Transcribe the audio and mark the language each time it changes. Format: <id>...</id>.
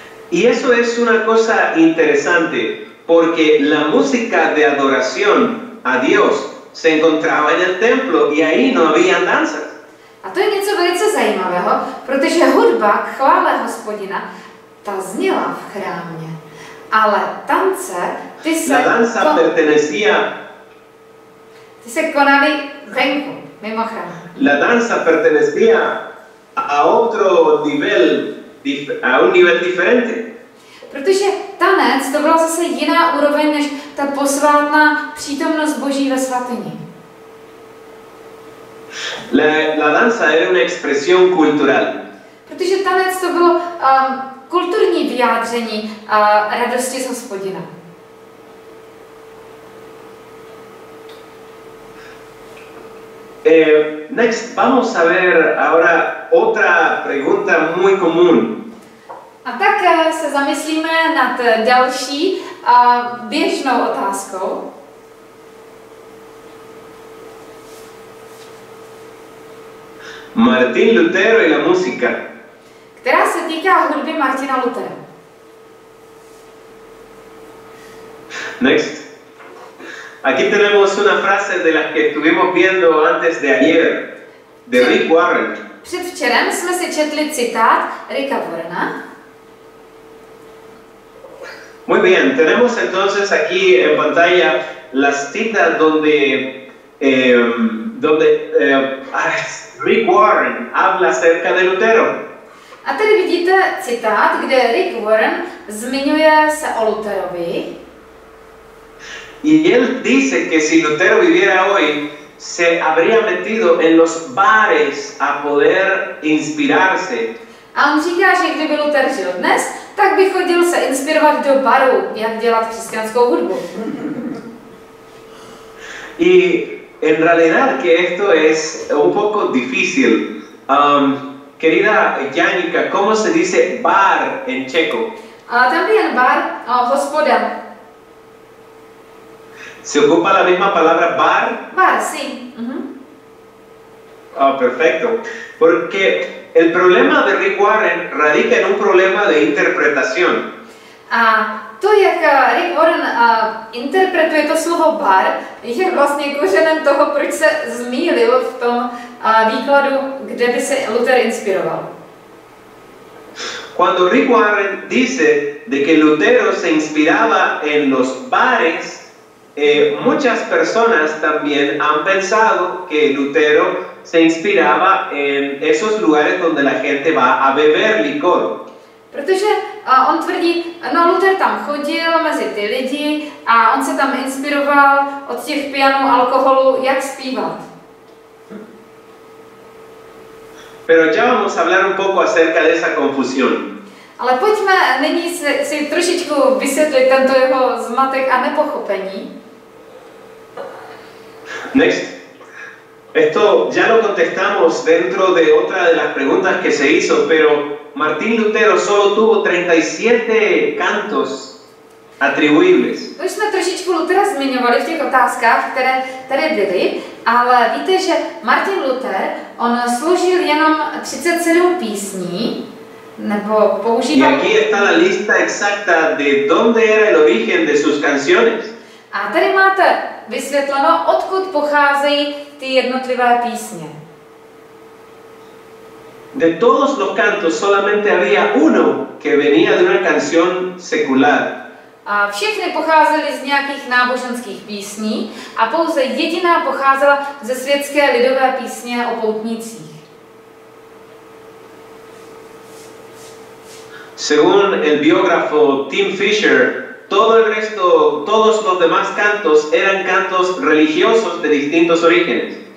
<es>Y eso es una cosa interesante, porque la música de adoración a Dios se encontraba en el templo y ahí no había danzas.</es> <cs>A to je něco velice zajímavého, protože hudba k chvále Hospodina ta zněla v chrámě, ale tance ty se konaly venku, mimo chrám.</cs> <es>La danza pertenecía a otro nivel, a un nivel diferente.</es> <cs>Protože tanec to byla zase jiná úroveň než ta posvátná přítomnost Boží ve svatyni.</cs> <es>La danza era una expresión cultural.</es> <cs>Protože tanec to bylo kulturní vyjádření radosti z Hospodina.</cs> <es>Next, vamos a ver ahora otra pregunta muy común.</es> <cs>A tak se zamyslíme nad další běžnou otázkou.</cs> <es>Martin Lutero y la música.</es> <cs>Která se týká hudby Martina Lutera.</cs> <en>Next.</en> <es>Aquí tenemos una frase de las que estuvimos viendo antes de ayer, de Rick Warren.</es> <cs>Předvčerem jsme si četli citát Ricka Warrena.</cs> <es>Muy bien, tenemos entonces aquí en pantalla las citas donde Rick Warren habla acerca de Lutero.</es> <cs>A tady vidíte citát, kde Rick Warren zmiňuje se o Luterovi.</cs> <es>Y él dice que si Lutero viviera hoy, se habría metido en los bares a poder inspirarse.</es> <cs>A on říká, že kdyby Luther žil dnes, tak by chodil se inspirovat do baru, jak dělat křesťanskou hudbu.</cs> <es>Y en realidad que esto es un poco difícil. Querida Janika, ¿cómo se dice bar en checo? También bar, hospoda. ¿Se ocupa la misma palabra bar? Bar, sí. Perfecto. Porque el problema de Rick Warren radica en un problema de interpretación.</es> <cs>To, jak Rick Warren interpretuje to slovo bar, je vlastně kořenem toho, proč se zmýlil v tom výkladu, kde by se Luther inspiroval.</cs> <es>Cuando Rick Warren dice de que Lutero se inspiraba en los bares, muchas personas también han pensado que Lutero se inspiraba en esos lugares donde la gente va a beber licor.</es> <cs>Protože on tvrdí, no Luther tam chodil mezi ty lidi a on se tam inspiroval od těch pijanů, alkoholu, jak zpívat.</cs> <es>Pero ya vamos a hablar un poco acerca de esa confusión.</es> <cs>Ale pojďme nyní si trošičku vysvětlit tento jeho zmatek a nepochopení.</cs> <en>Next.</en> <es>Esto ya lo contestamos dentro de otra de las preguntas que se hizo, pero Martín Lutero solo tuvo 37 cantos atribuibles.</es> <cs>už jsme trošičku Lutera zmiňovali v těch otázkách, které tady byly, ale víte, že Martin Luther, on sloužil jenom 37 písní, nebo používal...</cs> <es>Y aquí está la lista exacta de dónde era el origen de sus canciones.</es> <cs>A tady máte vysvětleno, odkud pocházejí ty jednotlivé písně.</cs> <es>De todos los cantos solamente había uno que venía de una canción secular.</es> <cs>A všechny pocházely z nějakých náboženských písní a pouze jediná pocházela ze světské lidové písně o poutnicích.</cs> <es>Según el biógrafo Tim Fisher, todo el resto, todos los demás cantos eran cantos religiosos de distintos orígenes.</es>